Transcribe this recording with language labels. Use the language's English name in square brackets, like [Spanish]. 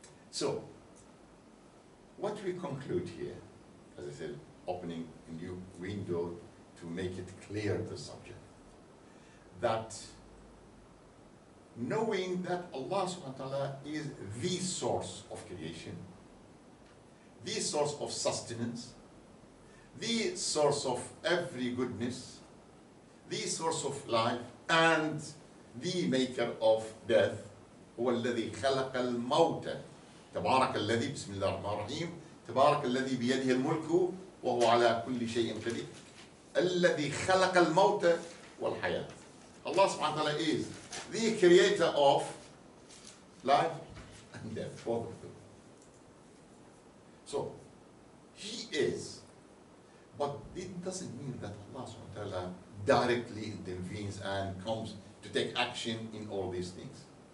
[English] So, what we conclude here, as I said, opening a new window to make it clear the subject, that knowing that Allah subhanahu wa ta'ala is the source of creation, the source of sustenance, the source of every goodness, the source of life, and the maker of death. [Arabic] هو الذي خلق الموت. تبارك الذي بسم الله الرحمن الرحيم تبارك الذي بيده الملك وهو على كل شيء قدير الذي خلق الموت والحياة. الله سبحانه وتعالى [English] is the creator of life and death, both of them. So he is, but it doesn't mean that Allah [Arabic] سبحانه وتعالى [English] directly intervenes and comes to take action in all these things.